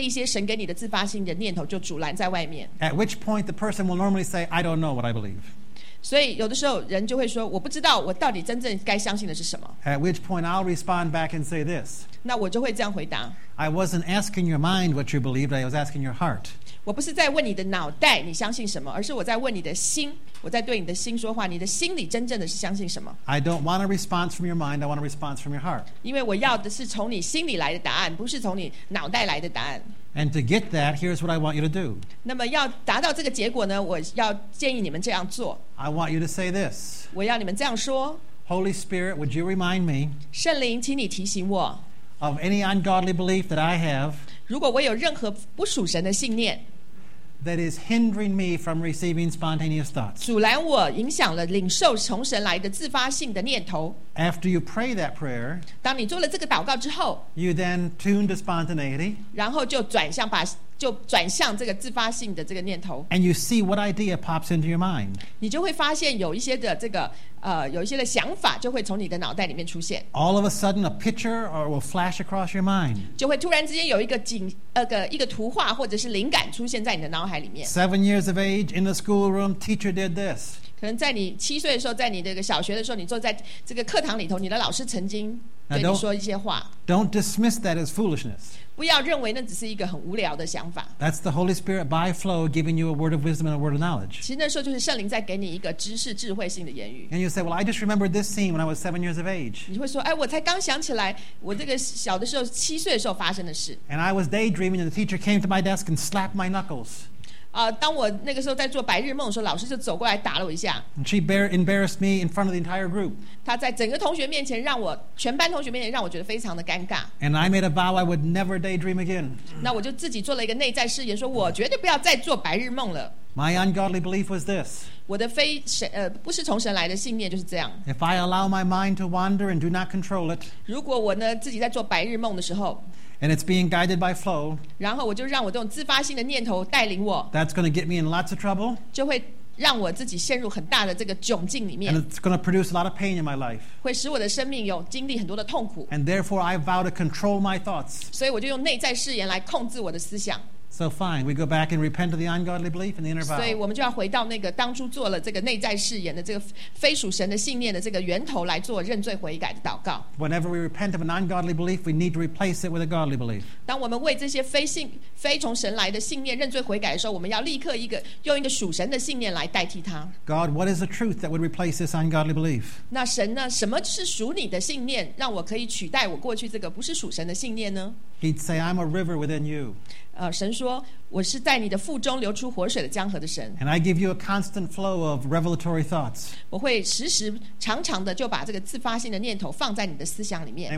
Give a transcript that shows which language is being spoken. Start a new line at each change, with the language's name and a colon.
Chinese: 如果呢，你不相信的话，他就会把这一些神给你的自发性的念头就阻拦在外面。
English: At which point the person will normally say, I don't know what I believe.
Chinese: 所以有的时候人就会说，我不知道我到底真正该相信的是什么。
English: At which point I'll respond back and say this.
Chinese: 那我就会这样回答。
English: I wasn't asking your mind what you believed, I was asking your heart.
Chinese: 我不是在问你的脑袋你相信什么，而是我在问你的心，我在对你的心说话，你的心里真正的是相信什么。
English: I don't want a response from your mind, I want a response from your heart.
Chinese: 因为我要的是从你心里来的答案，不是从你脑袋来的答案。
English: And to get that, here's what I want you to do.
Chinese: 那么要达到这个结果呢，我要建议你们这样做。
English: I want you to say this.
Chinese: 我要你们这样说。
English: Holy Spirit, would you remind me?
Chinese: 圣灵，请你提醒我。
English: Of any ungodly belief that I have.
Chinese: 如果我有任何不属神的信念。
English: That is hindering me from receiving spontaneous thoughts.
Chinese: 阻拦我影响了领受从神来的自发性的念头。
English: After you pray that prayer.
Chinese: 当你做了这个祷告之后。
English: You then tune to spontaneity.
Chinese: 然后就转向把就转向这个自发性的这个念头。
English: And you see what idea pops into your mind.
Chinese: 你就会发现有一些的这个有一些的想法就会从你的脑袋里面出现。
English: All of a sudden a picture or will flash across your mind.
Chinese: 就会突然之间有一个图画或者是灵感出现在你的脑海里面。
English: 7 years of age in the schoolroom, teacher did this.
Chinese: 可能在你七岁的时候，在你这个小学的时候，你坐在这个课堂里头，你的老师曾经对你说一些话。
English: Don't dismiss that as foolishness.
Chinese: 不要认为那只是一个很无聊的想法。
English: That's the Holy Spirit by flow giving you a word of wisdom and a word of knowledge.
Chinese: 其实那时候就是圣灵在给你一个知识智慧性的言语。
English: And you say, well, I just remembered this scene when I was 7 years of age.
Chinese: 你会说，哎，我才刚想起来，我这个小的时候，七岁的时候发生的事。
English: And I was daydreaming, and the teacher came to my desk and slapped my knuckles.
Chinese: 当我那个时候在做白日梦的时候，老师就走过来打了我一下。
English: And she embarrassed me in front of the entire group.
Chinese: 她在整个同学面前让我，全班同学面前让我觉得非常的尴尬。
English: And I made a vow I would never daydream again.
Chinese: 那我就自己做了一个内在誓言，说我绝对不要再做白日梦了。
English: My ungodly belief was this.
Chinese: 我的非神，不是从神来的信念就是这样。
English: If I allow my mind to wander and do not control it.
Chinese: 如果我呢，自己在做白日梦的时候。
English: And it's being guided by flow.
Chinese: 然后我就让我这种自发性的念头带领我。
English: That's going to get me in lots of trouble.
Chinese: 就会让我自己陷入很大的这个窘境里面。
English: And it's going to produce a lot of pain in my life.
Chinese: 会使我的生命有经历很多的痛苦。
English: And therefore, I vow to control my thoughts.
Chinese: 所以我就用内在誓言来控制我的思想。
English: So fine, we go back and repent of the ungodly belief and the inner vow.
Chinese: 所以我们就要回到那个当初做了这个内在誓言的这个非属神的信念的这个源头来做认罪悔改的祷告。
English: Whenever we repent of an ungodly belief, we need to replace it with a godly belief.
Chinese: 当我们为这些非从神来的信念认罪悔改的时候，我们要立刻用一个属神的信念来代替它。
English: God, what is the truth that would replace this ungodly belief?
Chinese: 那神呢？什么是属你的信念，让我可以取代我过去这个不是属神的信念呢？
English: He'd say, I'm a river within you.
Chinese: 神说，我是在你的腹中流出活水的江河的神。
English: And I give you a constant flow of revelatory thoughts.
Chinese: 我会时时常常的就把这个自发性的念头放在你的思想里面。